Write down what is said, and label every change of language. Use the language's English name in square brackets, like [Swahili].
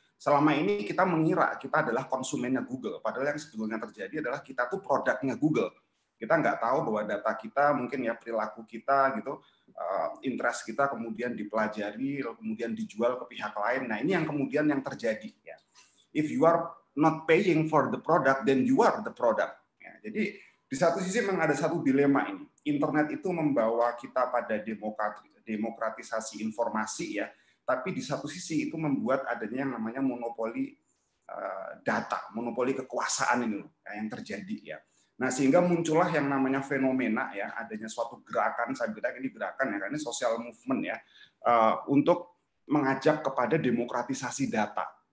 [Indonesian] selama ini kita mengira kita adalah konsumennya Google, padahal yang sebetulnya terjadi adalah kita tuh produknya Google. Kita nggak tahu bahwa data kita, mungkin ya perilaku kita gitu, interest kita kemudian dipelajari, kemudian dijual ke pihak lain. Nah ini yang kemudian yang terjadi. [English] If you are not paying for the product, then you are the product. [Indonesian] Ya, jadi di satu sisi memang ada satu dilema ini. Internet itu membawa kita pada demokratisasi informasi ya, tapi di satu sisi itu membuat adanya yang namanya monopoli data, monopoli kekuasaan ini loh, ya, yang terjadi ya. Nah sehingga muncullah yang namanya fenomena ya, adanya suatu gerakan, saya bilang ini gerakan ya, karena ini [English] social movement [Indonesian] ya, untuk mengajak kepada demokratisasi data.